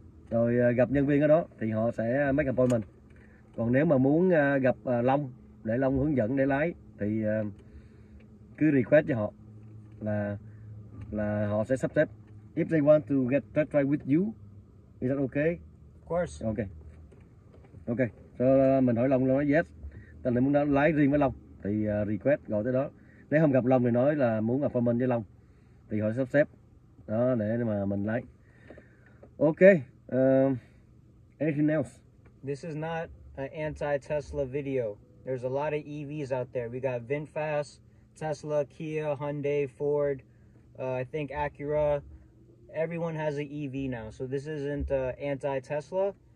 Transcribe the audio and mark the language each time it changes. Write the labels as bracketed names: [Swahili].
[Vietnamese] Rồi gặp nhân viên ở đó thì họ sẽ [English] make appointment. [Vietnamese] Còn nếu mà muốn gặp Long để Long hướng dẫn để lái thì cứ request cho họ là họ sẽ sắp xếp. [English] If they want to get test drive with you, is that okay? Of course. Okay. Okay. [Vietnamese] So mình hỏi Long, Long nói yes. Tại là muốn lái riêng với Long, thì request gọi tới đó. Nếu không gặp Long thì nói là muốn gặp appointment với Long, thì họ sắp xếp đó để mà mình lái. [English] Okay. Anything else? This is not an anti-Tesla video. There's a lot of EVs out there. We got VinFast, Tesla, Kia, Hyundai, Ford, I think Acura. Everyone has an EV now, so this isn't anti-Tesla.